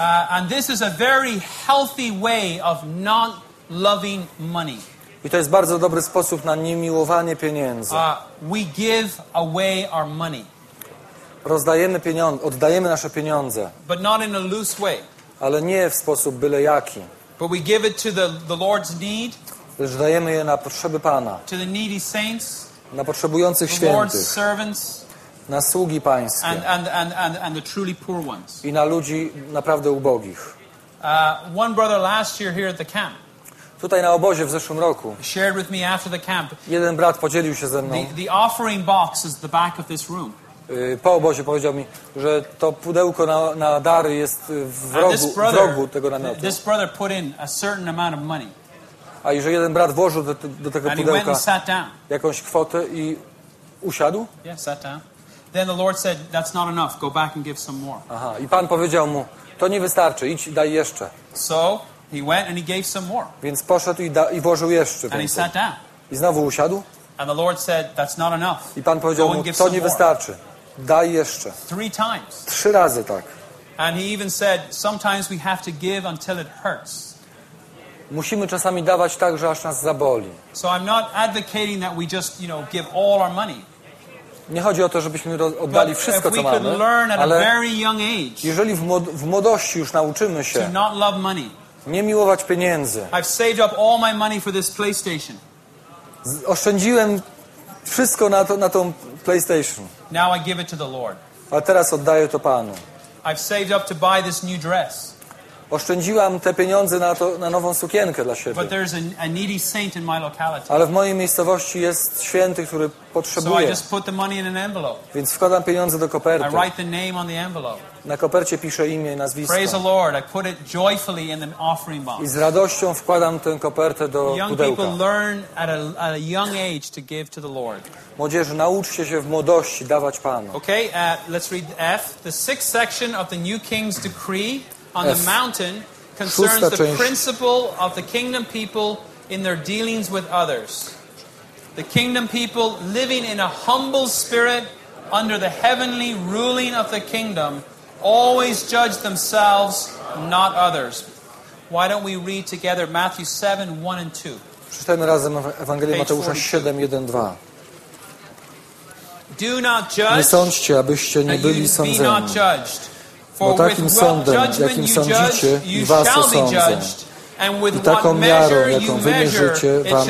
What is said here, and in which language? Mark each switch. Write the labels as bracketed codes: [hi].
[en] And this is a very healthy way of not loving money. [pl] I to jest bardzo dobry sposób na niemiłowanie pieniędzy. [en] We give away our money. [pl] Rozdajemy pieniądze, oddajemy nasze pieniądze. [en] But not in a loose way. [pl] Ale nie w sposób byle jaki. [en] But we give it to the Lord's need. [pl] Lecz dajemy je na potrzeby Pana, [en] to the needy saints, [pl] na potrzebujących świętych, [en] the Lord's servants, [pl] na sługi Pańskie [en] and the truly poor ones. [pl] I na ludzi naprawdę ubogich. [en] One brother last year here at the camp, [pl] tutaj na obozie w zeszłym roku, [en] shared with me after the camp, [pl] jeden brat podzielił się ze mną, [en] the offering box is the back of this room. [pl] Po obozie powiedział mi, że to pudełko na dary jest w rogu tego namiotu. [en] This brother put in a certain amount of money. [pl] A jeżeli jeden brat włożył do tego pudełka jakąś kwotę i usiadł? [en] Yeah, sat down. Then the Lord said, that's not enough. Go back and give some more. Aha. [pl] I Pan powiedział mu, to nie wystarczy. Idź, daj jeszcze. [en] So he went and he gave some more. [pl] Więc poszedł i włożył jeszcze. [en] And he sat down. [pl] I znowu usiadł. [en] And the Lord said, that's not enough. [pl] I Pan powiedział mu, to nie wystarczy. Daj jeszcze. [en] Three times. [pl] Trzy razy tak. [en] And he even said, sometimes we have to give until it hurts. [pl] Musimy czasami dawać tak, że aż nas zaboli. [en] So I'm not advocating that we just, you know, give all our money. [pl] Nie chodzi o to, żebyśmy oddali [en] but [pl] wszystko, [en] if we [pl] co mamy, [en] could learn at [pl] ale [en] a very young age, [pl] jeżeli w młodości już nauczymy się [en] to not love money. [pl] Nie miłować pieniędzy. [en] I've saved up all my money for this PlayStation. [pl] Oszczędziłem wszystko na tą PlayStation. [en] Now I give it to the Lord. [pl] A teraz oddaję to Panu. [en] I've saved up to buy this new dress. [pl] Oszczędziłam te pieniądze na to, na nową sukienkę dla siebie. [en] But there's a needy saint in my locality. [pl] Ale w mojej miejscowości jest święty, który potrzebuje. [en] So I just put the money in an envelope. [pl] Więc wkładam pieniądze do koperty. [en] I write the name on the envelope. [pl] Na kopercie piszę imię i nazwisko. [en] Praise the Lord, I put it joyfully in the offering box. [pl] I z radością wkładam tę kopertę do pudełka. [en] Young people learn at a young age to give to the Lord. [pl] Młodzieży, nauczcie się w młodości dawać Panu. [en] Okay, let's read F. The sixth section of the new king's decree. On the mountain concerns the principle of the kingdom people in their dealings with others. The kingdom people living in a humble spirit under the heavenly ruling of the kingdom always judge themselves, not others. Why don't we read together Matthew 7, 1 and 2. [pl] Przeczytajmy razem Ewangelię Mateusza 7, 1, 2. [en] Do not judge, [pl] nie sądźcie, abyście nie byli sądzeni. Bo takim sądem, jakim sądzicie, i was osądzę. I taką miarą, jaką wy mierzycie, wam